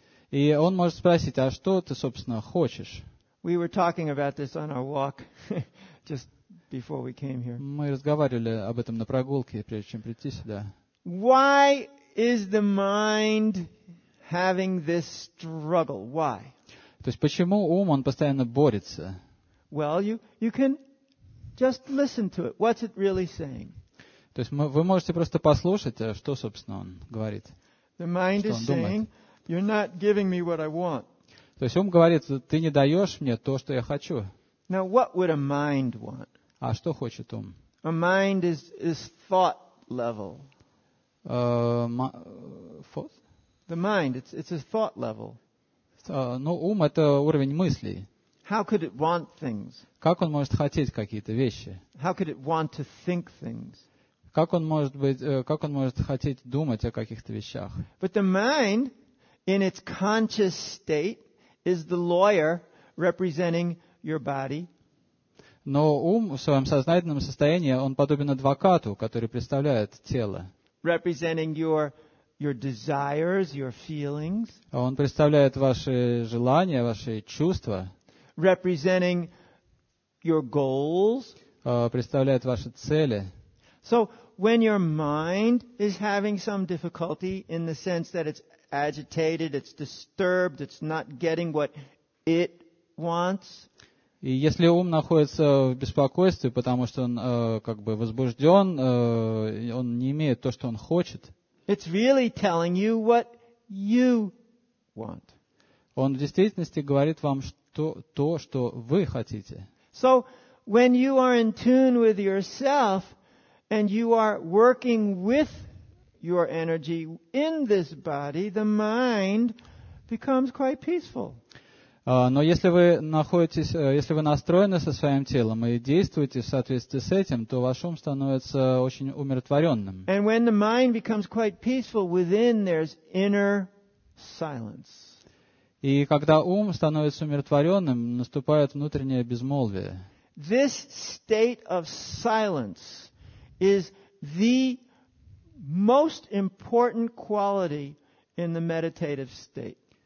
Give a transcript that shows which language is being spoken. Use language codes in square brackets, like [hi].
[ru] И он может спросить, а что ты, собственно, хочешь? [en] We were talking about this on our walk just before we came here. [ru] Мы разговаривали об этом на прогулке, прежде чем прийти сюда. [en] Why is the mind having this struggle? Why? [ru] То есть почему ум он постоянно борется? [en] Well, you can just listen to it. What's it really saying? [ru] То есть вы можете просто послушать, что собственно он говорит. [en] The mind is saying, you're not giving me what I want. [ru] То есть ум говорит, ты не даешь мне то, что я хочу. [en] Now, what would a mind want? [ru] А что хочет ум? [en] A mind is thought level. The mind, it's a thought level. [ru] Ум — это уровень мыслей. [en] How could it want things? [ru] Как он может хотеть какие-то вещи? [en] How could it want to think things? [ru] Как он может хотеть думать о каких-то вещах? [en] But the mind, in its conscious state, is the lawyer representing your body. [ru] Но ум в своем сознательном состоянии, он подобен адвокату, который представляет тело. [en] Representing your desires, your feelings. [ru] Он представляет ваши желания, ваши чувства. [en] Representing your goals. [ru] Представляет ваши цели. [en] So when your mind is having some difficulty in the sense that it's agitated, it's disturbed, it's not getting what it wants. [ru] И если ум находится в беспокойстве, потому что он как бы возбужден, он не имеет то, что он хочет. [en] It's really telling you what you want. [ru] Он в действительности говорит вам то, что вы хотите. [en] So, when you are in tune with yourself and you are working with your energy in this body, the mind becomes quite peaceful. [ru] Но если вы находитесь, если вы настроены со своим телом и действуете в соответствии с этим, то ваш ум становится очень умиротворенным. [en] And when the mind becomes quite peaceful within, there's inner silence. [ru] И когда ум становится умиротворенным, наступает внутреннее безмолвие. [en] This state of silence is the most important quality in the meditative state.